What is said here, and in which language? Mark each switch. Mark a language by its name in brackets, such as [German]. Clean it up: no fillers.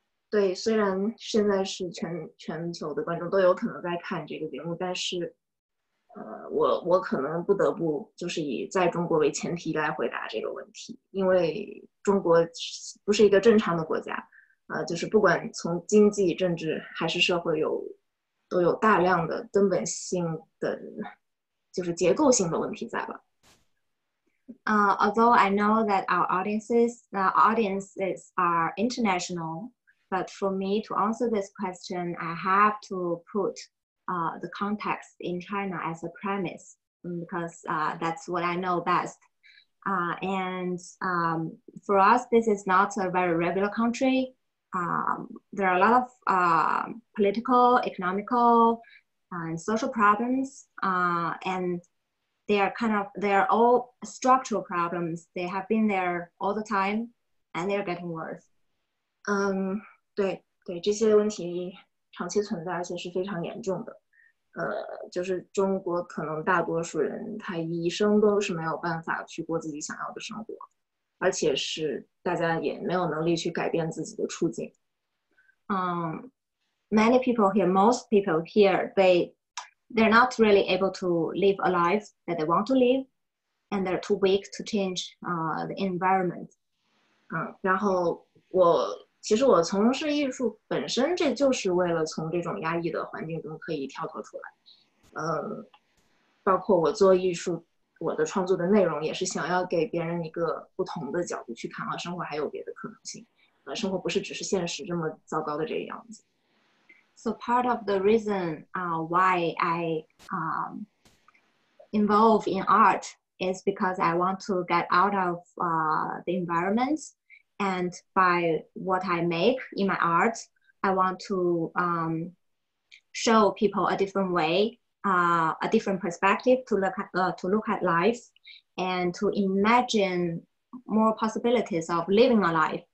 [Chinese] 对，虽然现在是全球的观众都有可能在看这个节目，但是，我可能不得不就是以在中国为前提来回答这个问题，因为中国不是一个正常的国家，就是不管从经济、政治还是社会有，都有大量的根本性的，就是结构性的问题在吧。 [English] Although I know that our audiences are international. But for me to answer this question, I have to put the context in China as a premise, because that's what I know best. For us, this is not a very regular country. There are a lot of political, economical, and social problems, and they are all structural problems. They have been there all the time, and they are getting worse. [Chinese] 对，这些问题长期存在，而且是非常严重的。就是中国可能大多数人他一生都是没有办法去过自己想要的生活。而且是大家也没有能力去改变自己的处境。 [English] Many people here, most people here, they're not really able to live a life that they want to live, and they're too weak to change the environment. [Chinese] 然后我其实我从事艺术本身，这就是为了从这种压抑的环境中可以跳脱出来。包括我做艺术，我的创作的内容也是想要给别人一个不同的角度去看啊，生活还有别的可能性。生活不是只是现实这么糟糕的这个样子。 [English] So part of the reason why I involve in art is because I want to get out of the environment, and by what I make in my art, I want to show people a different way, a different perspective to look at life, and to imagine more possibilities of living a life.